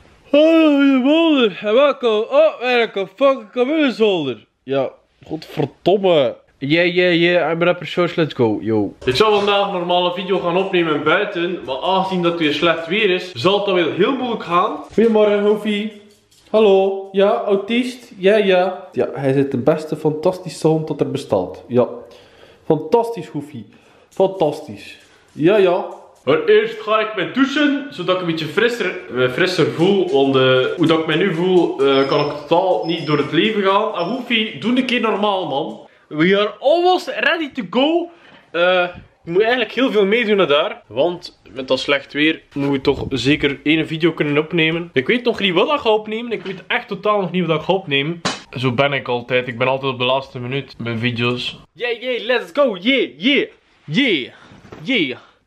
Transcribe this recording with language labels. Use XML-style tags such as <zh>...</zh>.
<nl>Hallo, goedemorgen en welkom op mijn fucking kamerzolder. Ja, godverdomme.</nl> <en>Yeah, yeah, yeah, I'm rapper Shorts, let's go, yo.</en> <nl>Ik zou vandaag een normale video gaan opnemen buiten, maar aangezien dat weer slecht weer is, zal het alweer heel moeilijk gaan. Goedemorgen, Hofie. Hallo, ja, autist, ja, ja. Ja, hij is de beste fantastische hond dat er bestaat, ja. Fantastisch, Hofie, fantastisch. Ja, ja. Maar eerst ga ik me douchen, zodat ik een beetje frisser voel. Want hoe dat ik me nu voel, kan ik totaal niet door het leven gaan. En Hofie, doe een keer normaal, man.</nl> <en>We are almost ready to go.</en> <nl>Ik moet eigenlijk heel veel meedoen naar daar. Want met dat slecht weer moet je toch zeker één video kunnen opnemen. Ik weet nog niet wat ik ga opnemen. Ik weet echt totaal nog niet wat ik ga opnemen. Zo ben ik altijd. Ik ben altijd op de laatste minuut met video's.</nl> <en>Yeah, yeah, let's go. Yeah, yeah, yeah, yeah.</en>